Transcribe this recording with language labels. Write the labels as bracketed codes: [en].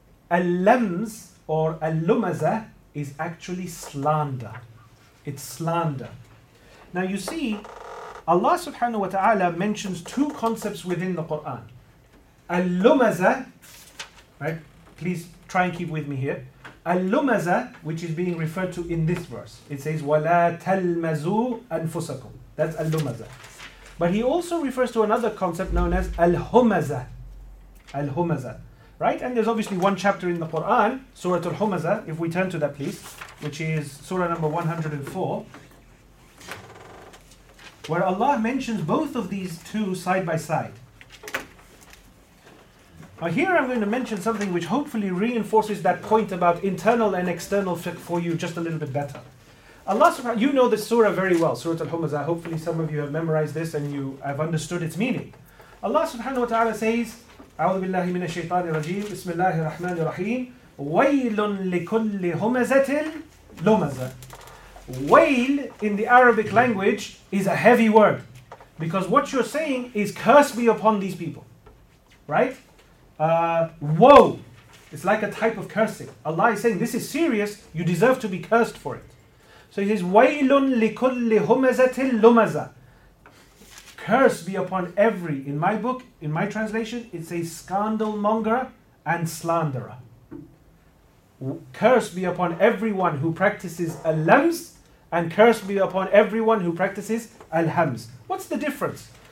[en] Al-lams or al-lumaza is actually slander. It's slander. Now you see, Allah subhanahu wa ta'ala mentions two concepts within the Quran. Al-lumaza, right? Please try and keep with me here. Al-lumaza, which is being referred to in this verse. It says, [ar] وَلَا تَلْمَزُوا أَنفُسَكُمْ. [en] That's al-lumaza. But he also refers to another concept known as al-humaza. Al-humaza. Right? And there's obviously one chapter in the Quran, Surah Al-Humaza, if we turn to that please, which is Surah number 104, where Allah mentions both of these two side by side. Now here I'm going to mention something which hopefully reinforces that point about internal and external fiqh for you just a little bit better. Allah subhanahu wa ta'ala, you know this surah very well, Surah Al-Humaza. Hopefully some of you have memorized this and you have understood its meaning. Allah subhanahu wa ta'ala says, [ar] أعوذ بالله من الشيطان الرجيم بسم الله الرحمن الرحيم ويل لكل همزة لمزة. [en] ويل in the Arabic language is a heavy word, because what you're saying is curse be upon these people, right? Woe, it's like a type of cursing. Allah is saying this is serious, you deserve to be cursed for it. So he says, [ar] وَيْلٌ لِكُلِّ هُمَزَةٍ لُمَزَةٍ. [en] Curse be upon every, in my book, in my translation, it says scandalmonger and slanderer. Curse be upon everyone who practices al-lams, and curse be upon everyone who practices al-hams. What's the difference?